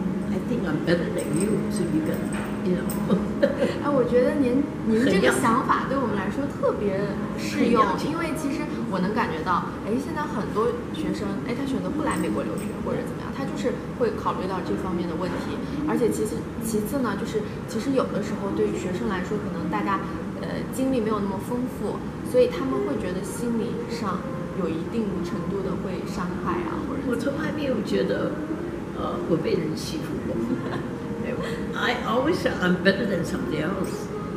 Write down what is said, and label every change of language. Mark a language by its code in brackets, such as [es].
[en] I think I'm better than you, so you can, you know. [zh] 我觉得您这个想法对我们来说特别适用，因为其实我能感觉到，现在很多学生，他选择不来美国留学或者怎么样，他就是会考虑到这方面的问题。而且其次呢，就是其实有的时候对于学生来说，可能大家经历没有那么丰富，所以他们会觉得心理上有一定程度的会伤害啊，或者我从来没有觉得我被人欺负过。 [en] I always say I'm better than somebody else.